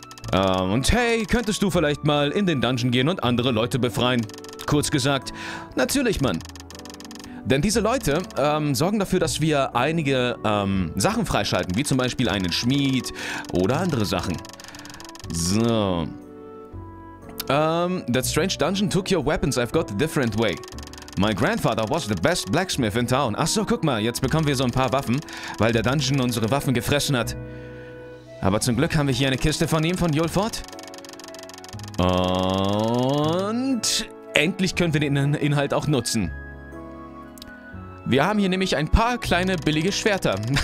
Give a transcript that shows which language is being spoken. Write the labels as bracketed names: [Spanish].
[German] Und hey, könntest du vielleicht mal in den Dungeon gehen und andere Leute befreien? Kurz gesagt, natürlich, Mann. Denn diese Leute sorgen dafür, dass wir einige Sachen freischalten, wie zum Beispiel einen Schmied oder andere Sachen. So. [English] That strange dungeon took your weapons, I've got a different way. My grandfather was the best blacksmith in town. [German] Achso, guck mal, jetzt bekommen wir so ein paar Waffen, weil der Dungeon unsere Waffen gefressen hat. Aber zum Glück haben wir hier eine Kiste von ihm, von Yulford. Und endlich können wir den Inhalt auch nutzen. Wir haben hier nämlich ein paar kleine billige Schwerter.